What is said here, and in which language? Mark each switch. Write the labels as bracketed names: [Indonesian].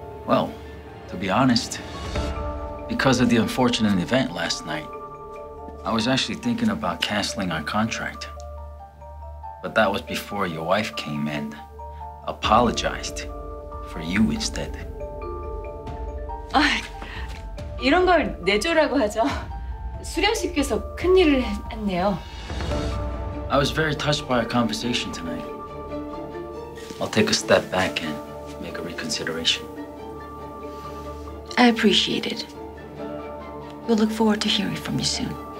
[English] Well, to be honest, because of the unfortunate event last night, I was actually thinking about canceling our contract. But that was before your wife came and apologized for you instead. [Korean] 아, 이런 걸 내조라고 하죠. 수련 씨께서 큰일을 했네요. [English] I was very touched by our conversation tonight. I'll take a step back and make a reconsideration. I appreciate it. We'll look forward to hearing from you soon.